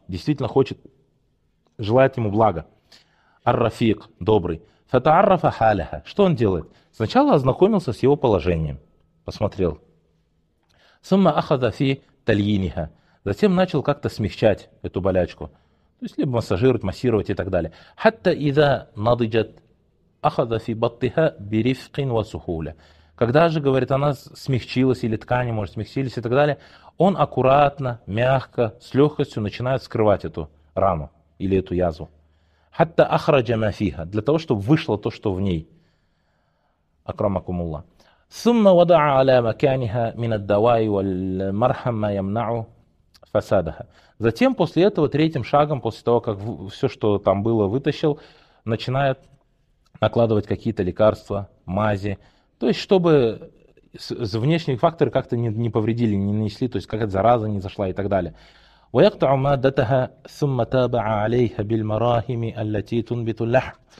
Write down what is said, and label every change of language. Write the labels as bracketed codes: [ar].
[ru] Действительно хочет, желает ему блага. Ар-рафик, добрый. [ar] Фатаарафа халяха. [ru] Что он делает? Сначала ознакомился с его положением. Посмотрел. [ar] Сумма ахаза фи тальиниха. [ru] Затем начал как-то смягчать эту болячку. То есть либо массажировать, массировать и так далее. [ar] Хатта иза надыджат. أخذ في بطنها برفق وسهولة. [ru] Когда же, говорит, она смягчилась, или ткани, может, смягчились и так далее, он аккуратно, мягко, с легкостью начинает скрывать эту рану или эту язву. [ar] حتى أخرج ما فيها. [ru] Для того, чтобы вышло то, что в ней. [ar] أكرمكم الله. ثم وضع على مكانها من الدواء والمرهم ما يمنعه فسادها. [ru] Затем, после этого, третьим шагом, после того, как все, что там было, вытащил, начинает накладывать какие-то лекарства, мази, то есть чтобы внешние факторы как-то не повредили, не нанесли, то есть какая-то зараза не зашла и так далее. [ar] وَيَقْطَعُ مَادَّتَهَا ثُمَّ تَابَعَ عَلَيْهَا بِالْمَرَاهِمِ أَلَّتِي تُنْبِتُ اللَّحْمَ.